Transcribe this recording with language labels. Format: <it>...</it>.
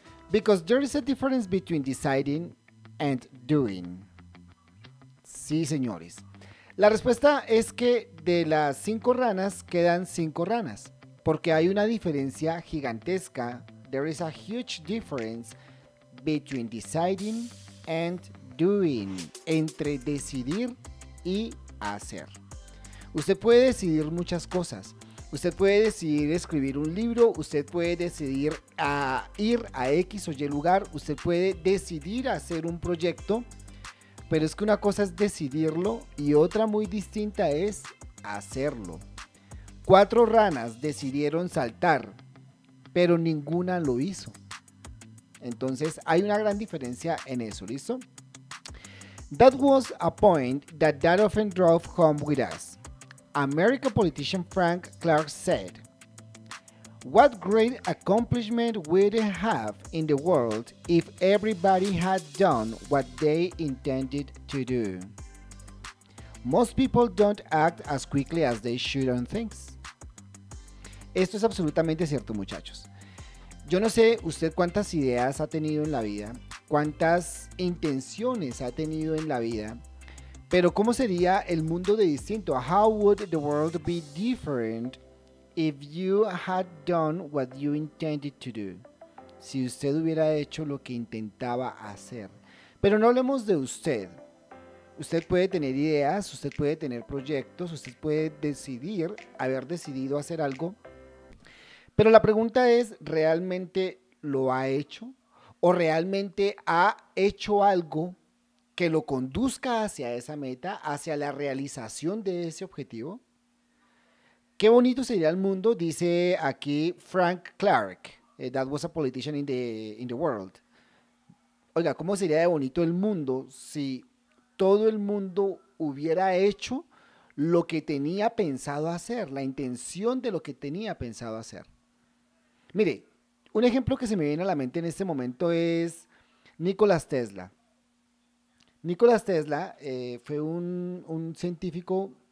<en>Because there is a difference between deciding and doing.</en> <es>Sí, señores. La respuesta es que de las cinco ranas quedan cinco ranas, porque hay una diferencia gigantesca.</es> <en>There is a huge difference between deciding and doing,</en> <es>entre decidir y hacer. Usted puede decidir muchas cosas. Usted puede decidir escribir un libro, usted puede decidir a ir a X o Y lugar, usted puede decidir hacer un proyecto, pero es que una cosa es decidirlo y otra muy distinta es hacerlo. Cuatro ranas decidieron saltar, pero ninguna lo hizo. Entonces hay una gran diferencia en eso, ¿listo?</es> <en>That was a point that often drove home with us. American politician Frank Clark said, What great accomplishment we'd have in the world if everybody had done what they intended to do. Most people don't act as quickly as they should on things.</en> <es>Esto es absolutamente cierto, muchachos. Yo no sé usted cuántas ideas ha tenido en la vida, cuántas intenciones ha tenido en la vida. Pero ¿cómo sería el mundo de distinto?</es> <en>How would the world be different if you had done what you intended to do?</en> <es>Si usted hubiera hecho lo que intentaba hacer. Pero no hablemos de usted. Usted puede tener ideas, usted puede tener proyectos, usted puede decidir, haber decidido hacer algo. Pero la pregunta es, ¿realmente lo ha hecho? ¿O realmente ha hecho algo que lo conduzca hacia esa meta, hacia la realización de ese objetivo? Qué bonito sería el mundo, dice aquí Frank Clark,</es> <en>that was a politician in the world.</en> <es>Oiga, ¿cómo sería de bonito el mundo si todo el mundo hubiera hecho lo que tenía pensado hacer, la intención de lo que tenía pensado hacer? Mire, un ejemplo que se me viene a la mente en este momento es Nicolás Tesla. Nicolás Tesla fue un científico</es>